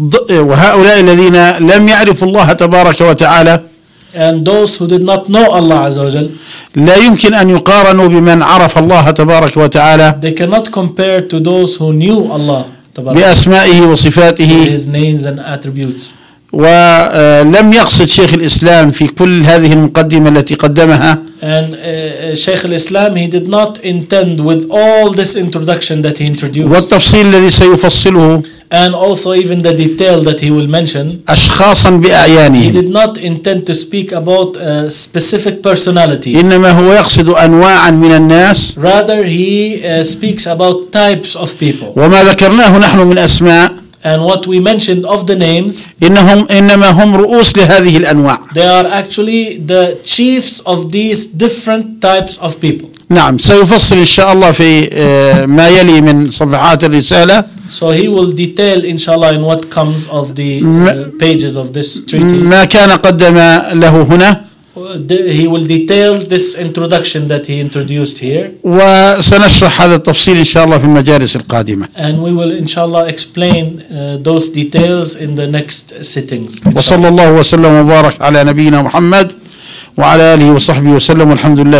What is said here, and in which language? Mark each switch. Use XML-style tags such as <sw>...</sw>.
<ar>وهؤلاء الذين لم يعرفوا الله تبارك وتعالى.</ar> <en>And those who did not know Allah</en> <ar>عز وجل. لا يمكن أن يقارنوا بمن عرف الله تبارك وتعالى.</ar> <en>They cannot compare to those who knew Allah تبارك.</en> <ar>بأسمائه وصفاته.</ar> <en>His names and attributes.</en> <ar>ولم يقصد شيخ الإسلام في كل هذه المقدمة التي قدمها.</ar> <en>And شيخ الإسلام he did not intend with all this introduction that he introduced.</en> <ar>والتفصيل الذي سيفصله.</ar> <en>And also even the detail that he will mention.</en> <ar>أشخاصا بأعيانهم.</ar> <en>He did not intend to speak about specific personalities.</en> <ar>إنما هو يقصد أنواعا من الناس.</ar> <en>Rather he speaks about types of people.</en> <ar>وما ذكرناه نحن من أسماء.</ar> <en>And what we mentioned of the names,</en> <ar>إنما هم رؤوس لهذه الأنواع.</ar> <en>They are actually the chiefs of these different types of people.</en> <ar>نعم سيفصل إن شاء الله في ما يلي من صفحات الرسالة.</ar> <en>So he will detail</en> <ar>إن شاء الله</ar> <en>in what comes of the pages of this treatise.</en> <ar>ما كان قدم له هنا.</ar> <en>He will detail this introduction that he introduced here.</en> <ar>وسنشرح هذا التفصيل إن شاء الله في المجالس القادمة.</ar> <en>And we will inshallah explain those details in the next sittings.</en> <ar>وصلى الله وسلم وبارك على نبينا محمد وعلى آله وصحبه وسلم والحمد لله.</ar>